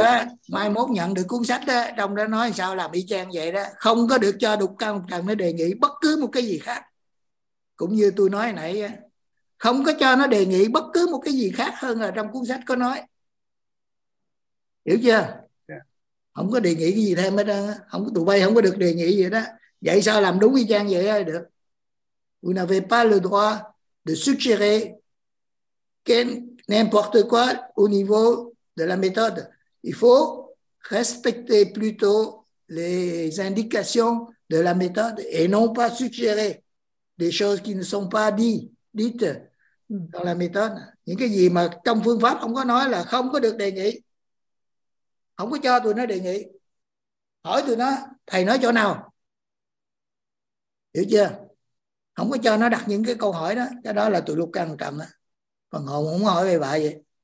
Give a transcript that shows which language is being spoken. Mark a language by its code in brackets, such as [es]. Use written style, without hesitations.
[vi] á, mai mốt nhận được cuốn sách đó, trong đó nói sao làm y chang vậy đó, không có được cho đục căng trần nó đề nghị bất cứ một cái gì khác, cũng như tôi nói nãy á, không có cho nó đề nghị bất cứ một cái gì khác hơn là trong cuốn sách có nói, hiểu chưa? Không có đề nghị cái gì thêm hết á, không, tụi bay không có được đề nghị gì đó. Vậy sao làm đúng y chang vậy đó, được. [fr] Vous n'avez pas le droit de suggérer qu'en n'importe quoi au niveau de la méthode. Il faut respecter plutôt les indications de la méthode et non pas suggérer des choses qui ne sont pas dites dans la méthode. [vi] Những cái gì mà trong phương pháp không có nói là không có được đề nghị. Không có cho tụi nó đề nghị. Hỏi tụi nó, thầy nói chỗ nào? Hiểu chưa? Không có cho nó đặt những cái câu hỏi đó. Cái đó là tụi lục căn trầm đó. Phần hồn không hỏi về bà vậy.